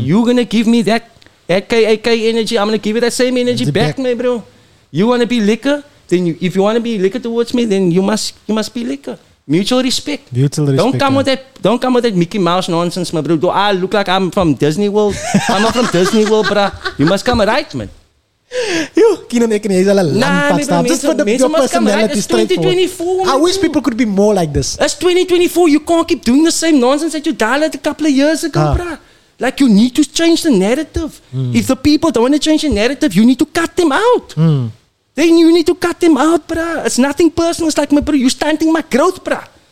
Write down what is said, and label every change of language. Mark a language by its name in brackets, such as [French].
[English] You're going to give me that K-A-K energy. I'm going to give you that same energy back, my bro. You want to be liquor? Then if you want to be liquor towards me, then you must be liquor. Mutual respect. Don't come with that Mickey Mouse nonsense, my bro. Do I look like I'm from Disney World? I'm not from Disney World, bruh. You must come right, man. [Afrikaans] Yo, Keenan, ek en jy is al 'n lang pad stap. [English] Just for your personality, straightforward. I wish people could be more like this. It's 2024. You can't keep doing the same nonsense that you dialed a couple of years ago, bruh. Like, you need to change the narrative. If the people don't want to change the narrative, you need to cut them out. Then you need to cut them out, bruh. It's nothing personal. It's like, my bro, you're stunting my growth, bruh.